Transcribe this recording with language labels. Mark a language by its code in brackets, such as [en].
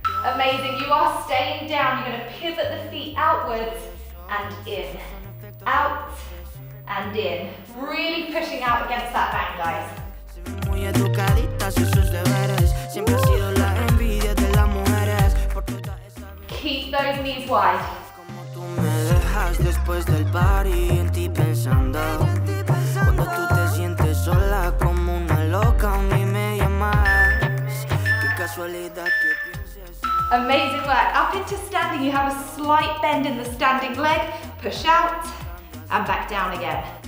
[en] Amazing, you are staying down. You're gonna pivot the feet outwards and in. Out and in. Really pushing out against that back, guys. [es] Muy educaditas y sus deberes. Siempre ha sido la envidia de las mujeres. [en] Keep those knees wide. [es] Como tú me dejas después del party, en ti pensando. Cuando tú te sientes sola como una loca, a mí me llamas. Qué casualidad que pienses. [en] Amazing work. Up into standing, you have a slight bend in the standing leg. Push out and back down again.